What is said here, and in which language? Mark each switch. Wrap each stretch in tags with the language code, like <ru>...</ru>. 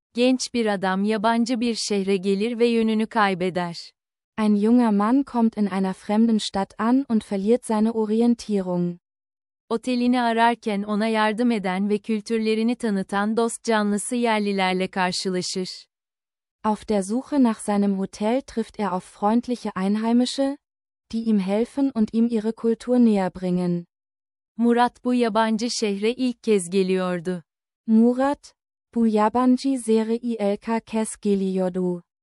<tr>Genç bir adam yabancı bir şehre gelir ve yönünü kaybeder.</tr> <de>Ein junger Mann kommt in einer fremden Stadt an und verliert seine Orientierung.</de> <tr>Otelini ararken ona yardım eden ve kültürlerini tanıtan dost canlısı yerlilerle karşılaşır.</tr> <de>Auf der Suche nach seinem Hotel trifft auf freundliche Einheimische, die ihm helfen und ihm ihre Kultur näher bringen.</de> <tr>Murat bu yabancı şehre ilk kez geliyordu. Murat, bu yabancı şehre ilk kez geliyordu.</tr>